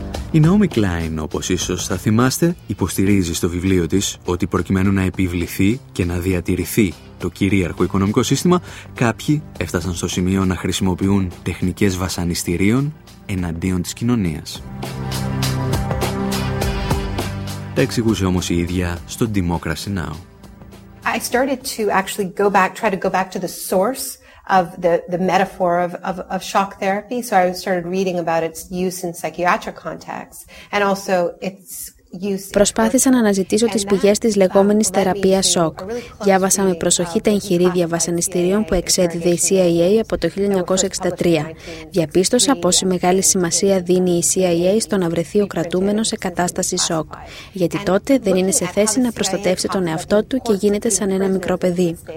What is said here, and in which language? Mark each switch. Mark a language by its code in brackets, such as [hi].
[el] Η Naomi Klein, όπως ίσως θα θυμάστε, υποστηρίζει στο βιβλίο της ότι προκειμένου να επιβληθεί και να διατηρηθεί το κυρίαρχο οικονομικό σύστημα, κάποιοι έφτασαν στο σημείο να χρησιμοποιούν τεχνικές βασανιστηρίων εναντίον της κοινωνίας. Τα εξηγούσε όμως η ίδια στο Democracy Now. [en] I started to actually go back, try to go back to the source of the metaphor of shock therapy. So I started reading about its use in psychiatric contexts and also its [el] Προσπάθησα να αναζητήσω τις πηγές της λεγόμενης θεραπείας σοκ. Διάβασα με προσοχή τα εγχειρίδια βασανιστήριων που εξέδιδε η CIA από το 1963. Διαπίστωσα πόση μεγάλη σημασία δίνει η CIA στο να βρεθεί ο κρατούμενος σε κατάσταση σοκ, γιατί τότε δεν είναι σε θέση να προστατεύσει τον εαυτό του και γίνεται σαν ένα μικρό παιδί.